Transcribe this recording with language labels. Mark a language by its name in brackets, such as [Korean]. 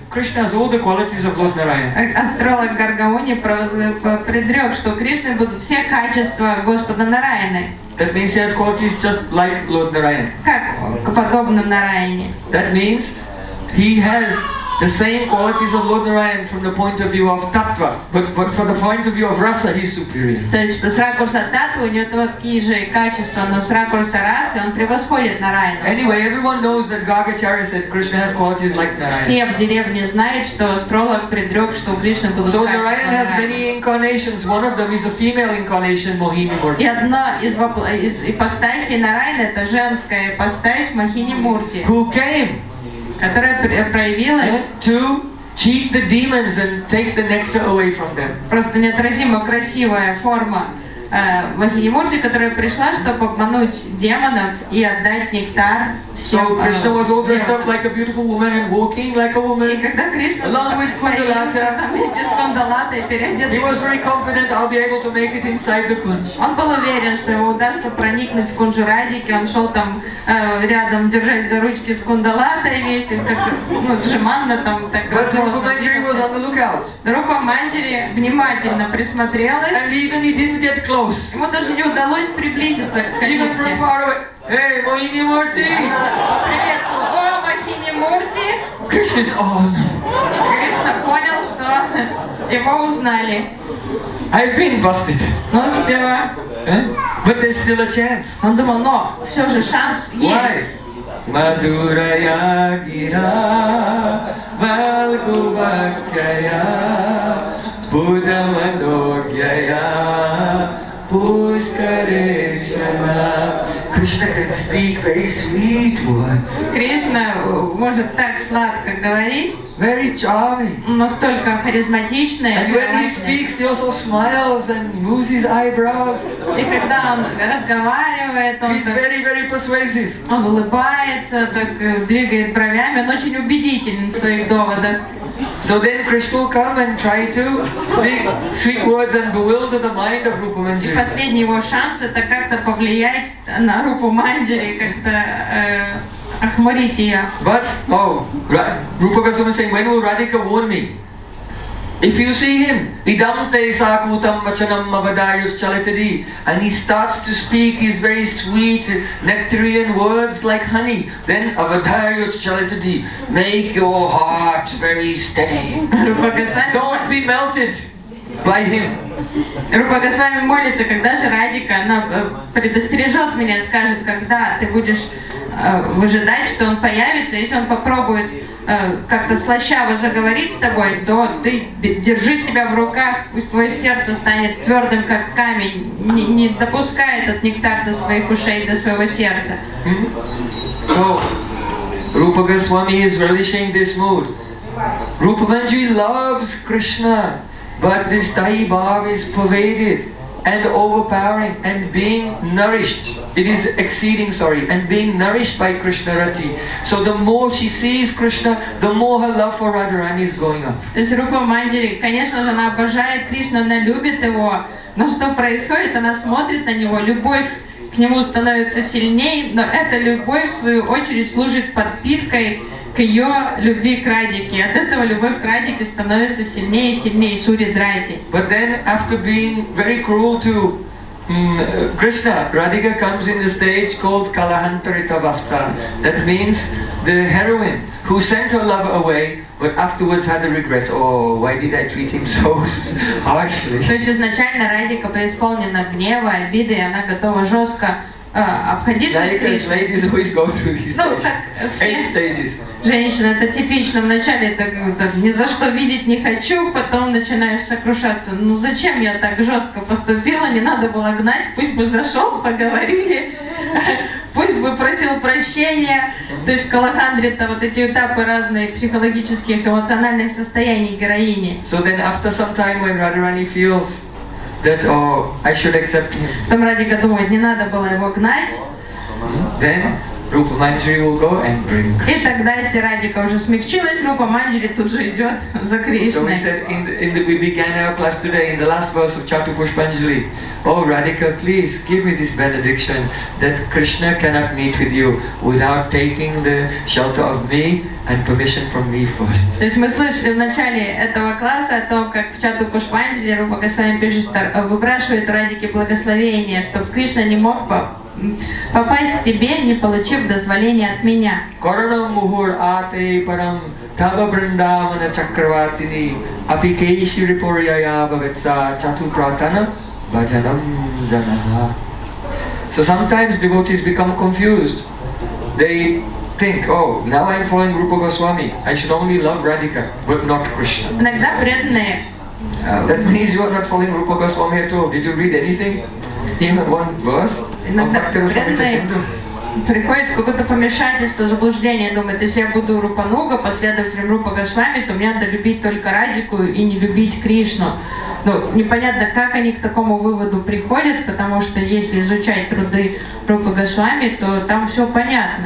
[English] Krishna has all the qualities of Lord Narayana. [Russian] Астролог Гаргауни предрек, что Кришны будут все качества Господа Нараяны. [English] That means he has qualities just like Lord Narayana. [Russian] Как подобно Нараяне. [English] That means he has the same qualities of Lord Narayana from the point of view of tattva, but from the point of view of rasa, he's superior. [Russian] То есть с ракурса таттвы у него такие же качества, но с ракурса расы он превосходит Нараяну. [English] Anyway, everyone knows that Gargacharya said Krishna has qualities like Narayana. [Russian] Все в деревне знают, что астролог предрек, что у Кришны будут качества. [English] So Narayana has many incarnations. One of them is a female incarnation, Mohini Murti. [Russian] И одна из ипостасей Нараяны — это женская ипостась Мохини Мурти. [English] Who came? [Russian] Которая проявилась [English] to cheat the demons and take the nectar away from them. [Russian] Просто неотразимо красивая форма Махини Мурти, которая пришла, чтобы обмануть демонов и отдать нектар всем. [English] So Krishna was all dressed up like a beautiful woman and walking like a woman. [Russian] И когда Кришна [English] along with Кундалата, [Russian] вместе с Кундалатой переодет. [English] He was very confident I'll be able to make it inside the kunj. [Russian] Он был уверен, что ему удастся проникнуть в кунжу Радики. Он шел там рядом, держась за ручки с Кундалатой, весь как джиманна там так. [English] But Rupa Manjari was on the lookout. [Russian] Рупа Манджари внимательно присмотрелась. [English] And even he didn't get close. [Russian] Ему даже не удалось приблизиться к [English] Кришне. Even from far away. Hey, Mohini Murti! [Russian] Приветствую. О, Мохини Мурти! [English] Кришна's on. [Russian] Кришна понял, что его узнали. [English] I've been busted. [Russian] Ну все. [English] But there's still a chance. [Russian] Он думал, но все же шанс есть. [English] Why? [Sanskrit] Madhuraya gira valgu vakkaya Buddha Madhogyaya Pushkareshana. [English] Krishna can speak very sweet words. [Russian] Krishna может так сладко говорить. [English] Very charming. [Russian] Настолько харизматично. [English] And when he speaks, he also smiles and moves his eyebrows. [Russian] И когда он разговаривает, он [English] he's very, very persuasive. [Russian] Он улыбается, так двигает бровями, он очень убедительен в своих доводах. [English] So then Krishna will come and try to speak sweet words and bewilder the mind of Rupa Manjari. [Russian] И последний его шанс — это как-то повлиять на Рупу Манджари, как-то охмурить ее. [English] But, oh, Rupa Goswami saying, when will Radhika warn me? If you see him, [Sanskrit] idam te sakutam vachanam mavadayus chalitadi, [English] and he starts to speak his very sweet nectarian words like honey, then [Sanskrit] avadayus chalitadi, [English] make your heart very steady. Don't be melted by him. [Russian] Rupa Goswami молится, когда же Радика, она предостережет меня, скажет, когда ты будешь выжидать, что он появится, если он попробует как-то слащаво заговорить с тобой, то ты держи себя в руках, пусть твое сердце станет твердым, как камень, не допускай этот нектар до своих ушей, до своего сердца. [English] So, Rupa Goswami is relishing this mood. Rupa Manjari loves Krishna, but this Tai Bhav is pervaded and overpowering and being nourished. It is exceeding, sorry, and being nourished by Krishna Rati. So the more she sees Krishna, the more her love for Radharani is going up. [Russian] То есть Рупа Манджари, конечно же, она обожает Кришну, она любит его, но что происходит? Она смотрит на него, любовь к нему становится сильнее, но эта любовь, в свою очередь, служит подпиткой к ее любви к Радике. От этого любовь к Радике становится сильнее и сильнее, Сури Драти. [English] But then after being very cruel to Krishna, Radhika comes in the stage called Kalahantaritavastha. That means the heroine who sent her lover away, but afterwards had a regret. Oh, why did I treat him so harshly? То есть изначально Радика преисполнена гнева, обиды, и она готова жестко обходиться с Кришной. Like ladies always go through these stages. Eight stages. [Russian] Женщина, это типично. Вначале это ни за что видеть не хочу, потом начинаешь сокрушаться. Ну зачем я так жестко поступила? Не надо было гнать, пусть бы зашел, поговорили, пусть бы просил прощения. То есть Калахандрита, вот эти этапы разных психологических, эмоциональных состояний героини. [English] So then after some time when Radharani feels that I should accept him. [Russian] Там Радика думает, не надо было его гнать. [English] Then Rupa Manjari will go and bring Krishna. [Russian] И тогда, если Радика уже смягчилась, Рупа Манджари тут же идет за Кришной. [English] So we said in the we began our class today in the last verse of Chatur Pushpanjali. Oh Radhika, please give me this benediction that Krishna cannot meet with you without taking the shelter of me and permission from me first. [Russian] То есть мы слышали в начале этого класса о том, как в Чату Пушпанджали Рупа Госвами пишет, выпрашивает Радике благословение, чтобы Кришна не мог попасть к тебе, не получив дозволения от меня. [Sanskrit] Коронам мухур ате парам тава бриндавана чакраватини апи кейши рипурьяя бхагатса чату пратана баджанам джанаха. [English] So sometimes devotees become confused. They think, oh, now I'm following Rupa Goswami. I should only love Radhika, but not Krishna. [Russian] Иногда преданные. [English] That means you are not following Rupa Goswami at all. Did you read anything? Even one verse? [Russian] Иногда преданные приходят в какое-то помешательство, заблуждение, думают, если я буду Рупануга, последователем Рупа Госвами, то мне надо любить только Радику и не любить Кришну. Ну, непонятно, как они к такому выводу приходят, потому что если изучать труды Рупы Госвами, то там все понятно.